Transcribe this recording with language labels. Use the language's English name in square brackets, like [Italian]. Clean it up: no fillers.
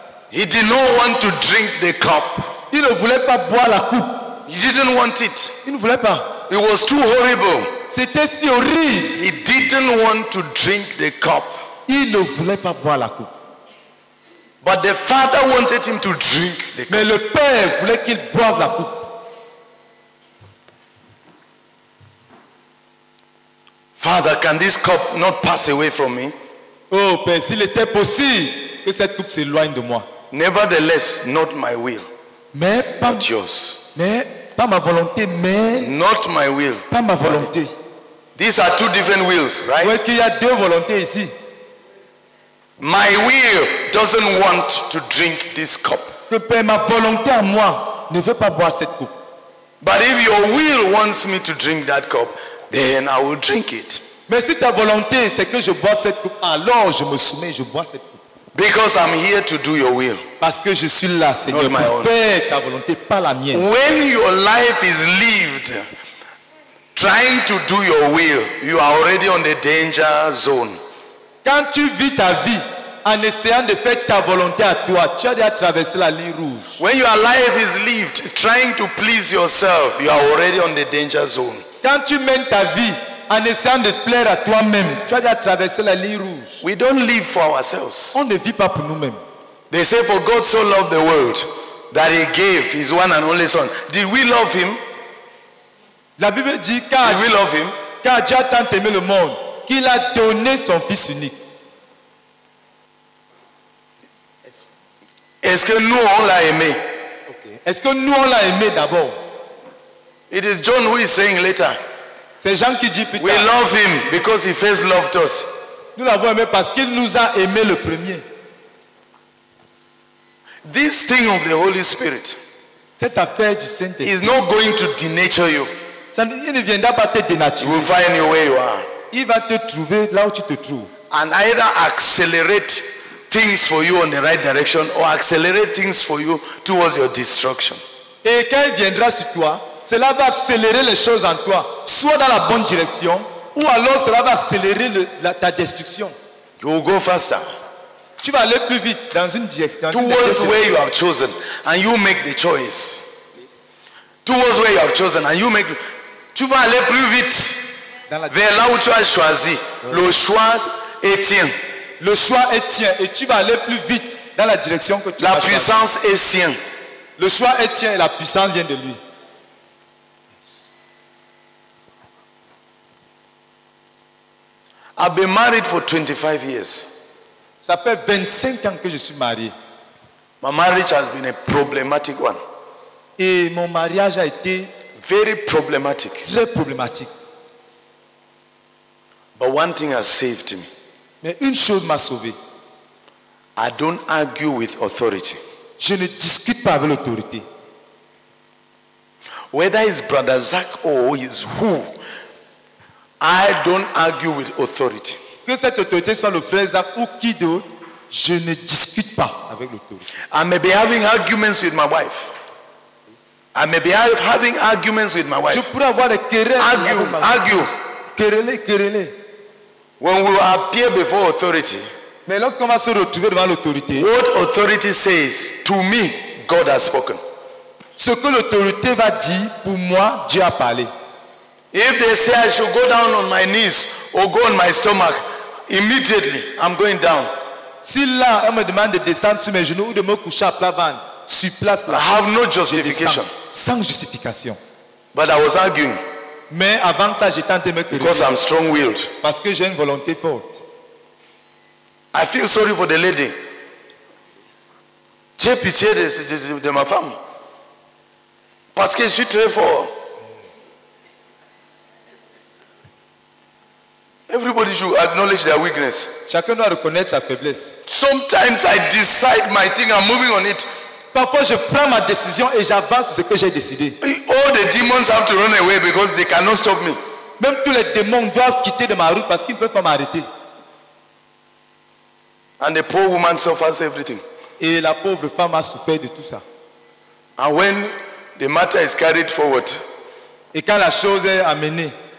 [English] He did not want to drink the cup. [French] Il ne voulait pas boire la coupe. [English] He didn't want it. [French] Il ne voulait pas. [English] It was too horrible. [French] C'était si horrible. [English] He didn't want to drink the cup. [French] Il ne voulait pas boire la coupe. [English] But the father wanted him to drink the cup. [French] Mais le père voulait qu'il boive la coupe. [English] Father, can this cup not pass away from me? [French] Oh père, s'il était possible que cette coupe s'éloigne de moi. [English] Nevertheless, not my will. [French] Mais pas [English] but yours. [French] Mais pas ma volonté, mais [English] not my will. [French] Pas ma volonté. [English] These are two different wills, right? [French] Où est-ce qu'il y a deux volontés ici? [English] My will doesn't want to drink this cup. [French] Mais ma volonté à moi ne veut pas boire cette coupe. [English] But if your will wants me to drink that cup, then I will drink it. [French] Mais si ta volonté c'est que je boive cette coupe, alors je me soumets, je bois cette coupe. [English] Because I'm here to do your will. [French] Parce que je suis là, Seigneur, pour faire ta volonté, pas la mienne. [English] When your life is lived trying to do your will, you are already on the danger zone. [French] Quand tu vis ta vie en essayant de faire ta volonté à toi, tu as déjà traversé la ligne rouge. [English] When your life is lived trying to please yourself, you are already on the danger zone. [French] Quand tu mènes ta vie en essayant de plaire à toi-même, tu as déjà traversé la ligne rouge. [English] We don't live for ourselves. [French] On ne vit pas pour nous-mêmes. [English] They say, for God so loved the world that he gave his one and only son. Did we love him? [French] La Bible dit, car [English] did we love him? [French] Car Dieu a tant aimé le monde qu'il a donné son fils unique. Est-ce que nous on l'a aimé? [English] Okay. [French] Est-ce que nous on l'a aimé d'abord? [English] It is John who is saying later. [French] C'est Jean qui dit plus tard. [English] We love him because he first loved us. [French] Nous l'avons aimé parce qu'il nous a aimé le premier. [English] This thing of the Holy Spirit, [French] cette affaire du Saint-Esprit, [English] is not going to denature you. [French] Ça ne viendra pas te dénaturer. [English] You will find your way where. [French] Il va te trouver là où tu te trouves. [English] And either accelerate things for you on the right direction, or accelerate things for you towards your destruction. [French] Et quand il viendra sur toi, cela va accélérer les choses en toi, soit dans la bonne direction, ou alors cela va accélérer ta destruction. [English] You will go faster. [French] Tu vas aller plus vite dans une direction. [English] Towards where you have chosen, and you make the choice. Towards where you have chosen, and you make. [French] Tu vas aller plus vite vers là où tu as choisi. Le choix est tien. Le choix est tien, et tu vas aller plus vite dans la direction que tu as choisi. La puissance est sien. Le choix est tien, et la puissance vient de lui. [English] I've been married for 25 years. [French] Ça fait 25 ans que je suis marié. [English] My marriage has been a problematic one. [French] Et mon mariage a été [English] very problematic. [French] Très problématique. [English] But one thing has saved me. [French] Mais une chose m'a sauvé. [English] I don't argue with authority. [French] Je ne discute pas avec l'autorité. [English] Whether it's Brother Zach or his who, I don't argue with authority. [French] Que cette autorité soit le frère Zach ou qui d'autre, je ne discute pas avec l'autorité. [English] I may be having arguments with my wife. I may be having arguments with my wife. [French] Je pourrais avoir des querelles. [English] Argue. [French] Querelle. [English] When we appear before authority. [French] Mais lorsqu'on va se retrouver devant l'autorité. [English] What authority says to me, God has spoken. [French] Ce que l'autorité va dire pour moi, Dieu a parlé. [English] If they say I should go down on my knees or go on my stomach, immediately I'm going down. [French] Si là, on me demande de descendre sur mes genoux ou de me coucher à plat ventre, sur place, [English] I have no justification. [French] Sans justification. [English] But I was arguing. [French] Mais avant ça, j'ai tenté me [English] querer. Because I'm strong-willed. [French] Parce que j'ai une volonté forte. [English] I feel sorry for the lady. [French] J'ai pitié de ma femme. Parce que je suis très fort. [English] Everybody should acknowledge their weakness. [French] Chacun doit reconnaître sa faiblesse. [English] Sometimes I decide my thing, I'm moving on it. [French] Parfois je prends ma décision et j'avance ce que j'ai décidé. [English] All the demons have to run away because they cannot stop me. [French] Même tous les démons doivent quitter de ma route parce qu'ils ne peuvent pas m'arrêter. [English] And the poor woman suffers everything. [French] Et la pauvre femme a souffert de tout ça. [English] And when the matter is carried forward. [French] Et quand la chose est amenée.